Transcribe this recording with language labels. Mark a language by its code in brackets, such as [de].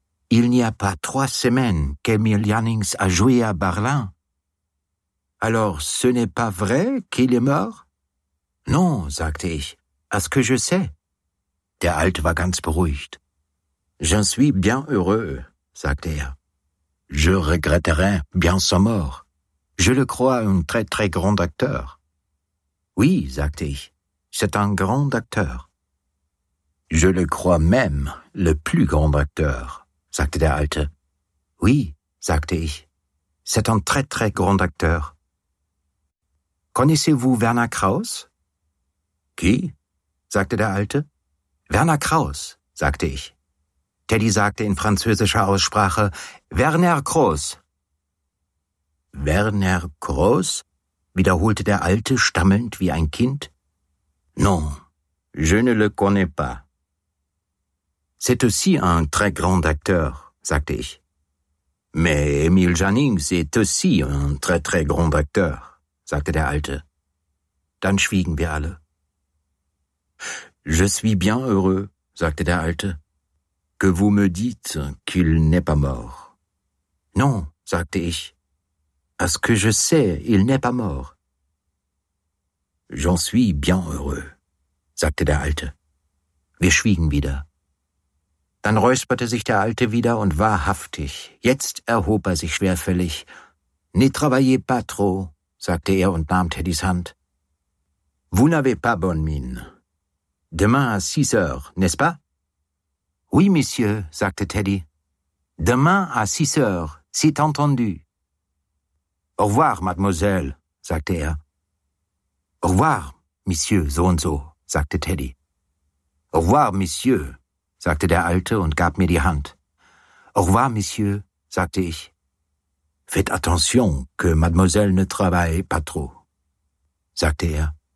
[fr] Il n'y a pas 3 semaines qu'Emil Jannings a joué à Berlin. Alors ce n'est pas vrai qu'il est mort? Non, [de] sagte ich. [fr] À ce que je sais. [de] Der Alte war ganz beruhigt. [fr] Je suis bien heureux, [de] sagte er. [fr] Je regretterai bien sa mort. Je le crois un très très grand acteur. Oui, [de] sagte ich. [fr] C'est un grand acteur. Je le crois même le plus grand acteur, [de] sagte der Alte. [fr] Oui, [de] sagte ich. [fr] C'est un très très grand acteur. Connaissez-vous Werner Krauss? Qui? [de] Sagte der Alte. Werner Krauss, sagte ich. Teddy sagte in französischer Aussprache, Werner Krauss. Werner Krauss? Wiederholte der Alte, stammelnd wie ein Kind. [fr] Non, je ne le connais pas. C'est aussi un très grand acteur, [de] sagte ich. [fr] Mais Emil Jannings est aussi un très très grand acteur, [de] sagte der Alte. Dann schwiegen wir alle. [fr] Je suis bien heureux, [de] sagte der Alte. [fr] Que vous me dites qu'il n'est pas mort. Non, [de] sagte ich. [fr] À ce que je sais, il n'est pas mort. J'en suis bien heureux, [de] sagte der Alte. Wir schwiegen wieder. Dann räusperte sich der Alte wieder und wahrhaftig. Jetzt erhob er sich schwerfällig. [fr] Ne travaillez pas trop, [de] sagte er und nahm Teddys Hand. [fr] Vous n'avez pas bonne mine. Demain à 6:00, n'est-ce pas? Oui, monsieur, [de] sagte Teddy. [fr] Demain à 6:00, c'est entendu. Au revoir, mademoiselle, [de] sagte er. [fr] Au revoir, monsieur [de] so und so, sagte Teddy. [fr] Au revoir, monsieur, [de] sagte der Alte und gab mir die Hand. [fr] Au revoir, monsieur, [de] sagte ich. [fr] Faites attention que mademoiselle ne travaille pas trop, [de] sagte er.